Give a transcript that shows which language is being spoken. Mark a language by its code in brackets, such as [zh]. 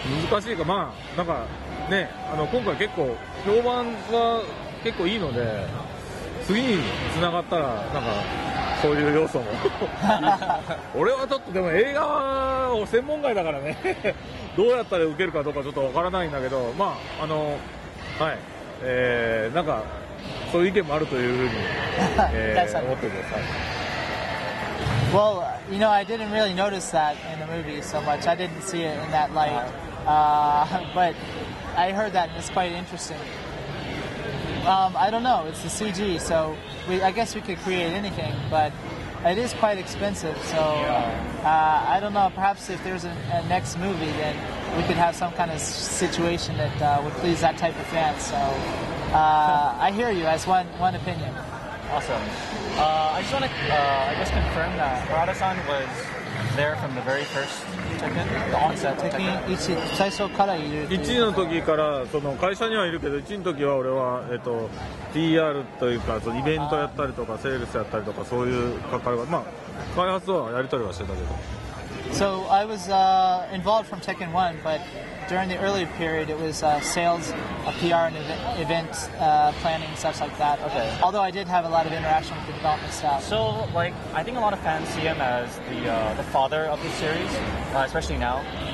[ja] 難しいか。まあなんかね、今回結構評判は結構いいので次につながったらなんかそういう要素も俺はちょっとでも映画は専門外だからねどうやったら受けるかどうかちょっとわからないんだけど、まあはい、なんかそういう意見もあるというふうに思ってください。 [en] Well, you know, I didn't really notice that in the movie so much. I didn't see it in that light. But I heard that and it's quite interesting. I don't know. It's the CG, so I guess we could create anything, but it is quite expensive. So I don't know. Perhaps if there's a next movie, then we could have some kind of situation that would please that type of fan. So I hear you as one opinion. Awesome. I just want to, I guess, confirm that Harada-san was there from the very first Tekken, the onset [ja] Tekken. Tekken 1, 最初からいる。 1の時からその会社にはいるけど、1の時は俺は、PR というか、そのイベントやったりとか、セールスやったりとか、そういう関わりは、まあ、開発はやり取りはしてたけど。 [en] So I was involved from Tekken 1, but during the early period, it was sales, PR, and event planning, stuff like that. Okay. Although I did have a lot of interaction with the development staff. So, like, I think a lot of fans see him as the father of the series, especially now.